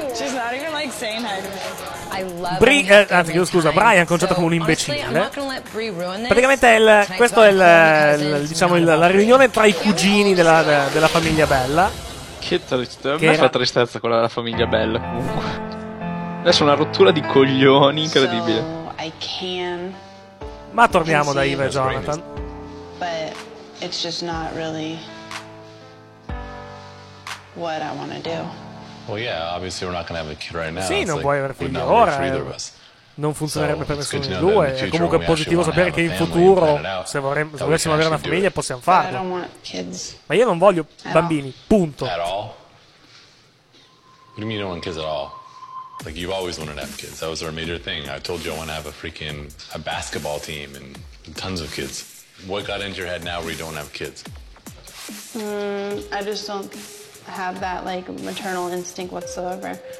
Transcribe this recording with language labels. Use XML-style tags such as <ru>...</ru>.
<en>She's not even like saying hi to me.</en> <it>Scusa, Brian conciato come un imbecille. Praticamente la riunione tra i cugini della famiglia Bella. Che tristezza, a me fa tristezza quella della famiglia Bella comunque. Adesso una rottura di coglioni incredibile.</it> <en>So I can,</en> <it>ma torniamo da Eva e Jonathan.</it> <en>But it's just not really what I want to do. Well, yeah, obviously we're not gonna have a kid right now.</en> <it>Sì,</it> <en>it's</en> <it>non</it> <en>like,</en> <it>vuoi avere figli ora. Non funzionerebbe per nessuno dei due. È comunque positivo sapere che in futuro, se volessimo avere una famiglia, possiamo farlo.</it> <en>But I don't want kids.</en> <it>Ma io non voglio bambini. Punto.</it> <en>At all. What do you mean you don't want kids at all? Like you've always wanted to have kids. That was our major thing. I told you I want to have a freaking a basketball team and tons of kids. What got into your head now where you don't have kids? I just don't have that like maternal instinct whatsoever.</en>